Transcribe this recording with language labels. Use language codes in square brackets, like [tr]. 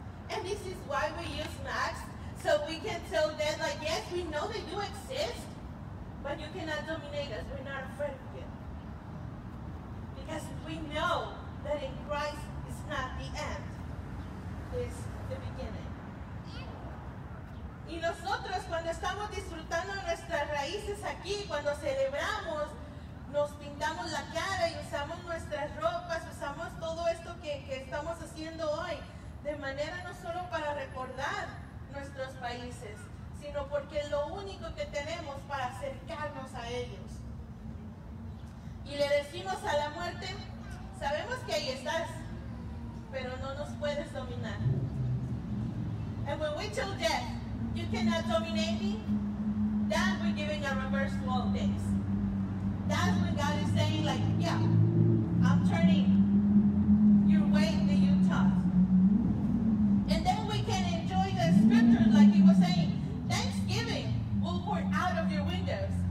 [en] And this is why we use masks, so we can tell them, like, yes, we know that you exist, but you cannot dominate us. We're not afraid of you. Because we know that in Christ is not the end, it's the beginning. [es] Y nosotros, cuando estamos disfrutando nuestras raíces aquí, cuando celebramos, nos pintamos la cara y usamos nuestras ropas, usamos todo esto que estamos haciendo hoy, de manera no solo para recordar nuestros países, sino porque es lo único que tenemos para acercarnos a ellos. Y le decimos a la muerte, sabemos que ahí estás, pero no nos puedes dominar. [en] And when we tell death, you cannot dominate me, that we're giving a reverse to all things. That's when God is saying, like, yeah, I'm turning your way that you taught. And then we can enjoy the scripture, like he was saying, thanksgiving will pour out of your windows.